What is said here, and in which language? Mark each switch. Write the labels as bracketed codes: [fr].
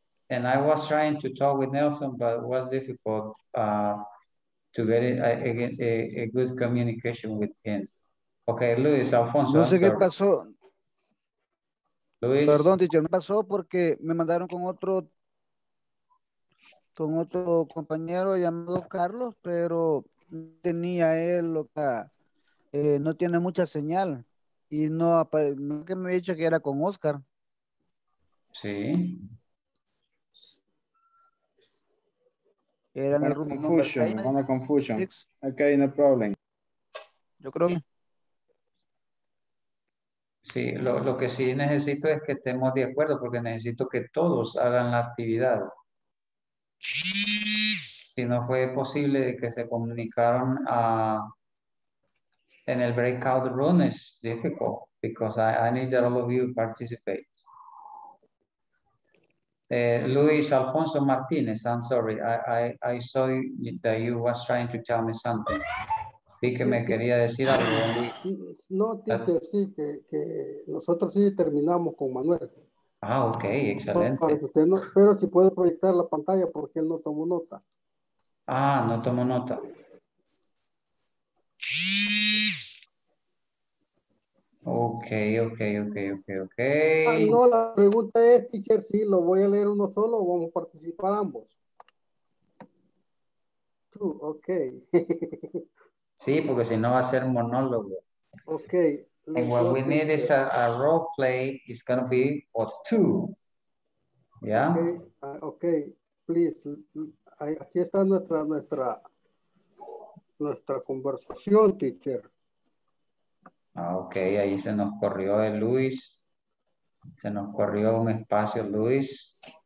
[en] And I was trying to talk with Nelson, but it was difficult to get a good communication with him. Okay, Luis, Alfonso. [es] No sé qué pasó. Luis. Perdón, teacher, me pasó porque me mandaron con otro compañero llamado Carlos, pero tenía él loca. No tiene mucha señal. Y no, que me había dicho que era con Oscar. Sí. Era una confusión, una confusión. Ok, [en] no problem. [es] Yo creo que... Sí, lo que sí necesito es que estemos de acuerdo, porque necesito que todos hagan la actividad. Si no fue posible que se comunicaron en el breakout room, es difícil, [en] because I need that all of you participate. Luis Alfonso Martinez, I'm sorry. I saw that you was trying to tell me something. [es] Vi que me quería decir algo. No, teacher, sí, que nosotros sí terminamos con Manuel. Ah, ok, excelente. Usted no, pero si puede proyectar la pantalla porque él no tomó nota. Ah, no tomó nota. Ok. Ah, no, la pregunta es, teacher, si lo voy a leer uno solo o vamos a participar ambos. Tú, ok. Sí, porque si no va a ser monólogo. Ok. [en] And what we need is a role play, it's going to be for two. Yeah? [es] Okay. Please, aquí está nuestra conversación, teacher. Ok, ahí se nos corrió el Luis. Se nos corrió un espacio, Luis.